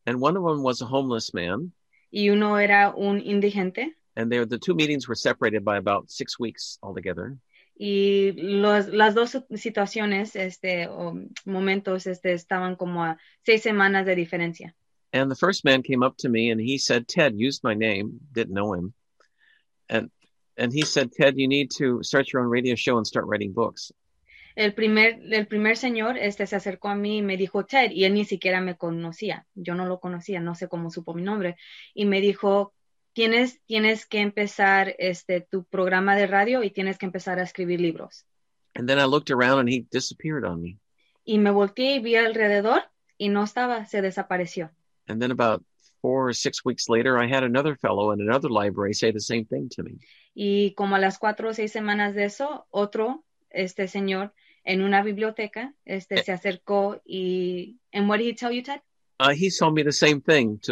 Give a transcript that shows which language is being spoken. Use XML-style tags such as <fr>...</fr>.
<en>And one of them was a homeless man.</en> <es>Y uno era un indigente.</es> <en>And the two meetings were separated by about 6 weeks altogether.</en> <es>y las dos situaciones, o momentos, estaban como a 6 semanas de diferencia.</es> <en>And the first man came up to me and he said, Ted, used my name, didn't know him. And he said, Ted, you need to start your own radio show and start writing books.</en> <es>El primer señor se acercó a mí y me dijo, Ted, y él ni siquiera me conocía. Yo no lo conocía, no sé cómo supo mi nombre. Y me dijo, tienes que empezar tu programa de radio y tienes que empezar a escribir libros.</es> <en>And then I looked around and he disappeared on me.</en> <es>Y me volteé y vi alrededor y no estaba, se desapareció.</es> <en>And then about 4 or 6 weeks later, I had another fellow in another library say the same thing to me.</en> <es>Y como a las 4 o 6 semanas de eso, otro, señor, en una biblioteca, se acercó y...</es> <en>And what did he tell you, Ted? He told me the same thing.</en>